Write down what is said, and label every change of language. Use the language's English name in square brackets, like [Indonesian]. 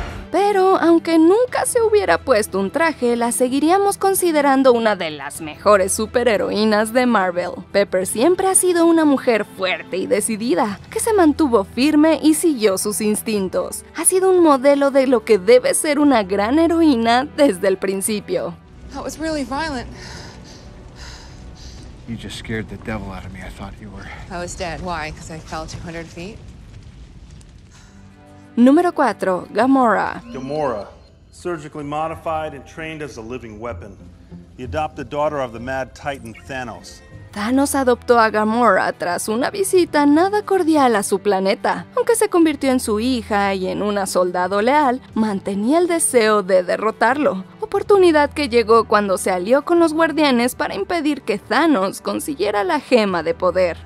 [Spanish] Pero aunque nunca se hubiera puesto un traje, la seguiríamos considerando una de las mejores superheroínas de Marvel. Pepper siempre ha sido una mujer fuerte y decidida, que se mantuvo firme y siguió sus instintos. Ha sido un modelo de lo que debe ser una gran heroína desde el principio. [English] That was really violent. You just scared the devil out of me. I thought you were. I was dead. Why? Because I fell 200 feet? [Spanish] Número 4. Gamora. Gamora. [English] Surgically modified and trained as a living weapon. The adopted daughter of the mad titan Thanos. [Spanish] Thanos adoptó a Gamora tras una visita nada cordial a su planeta. Aunque se convirtió en su hija y en una soldado leal, mantenía el deseo de derrotarlo. Oportunidad que llegó cuando se alió con los guardianes para impedir que Thanos consiguiera la gema de poder.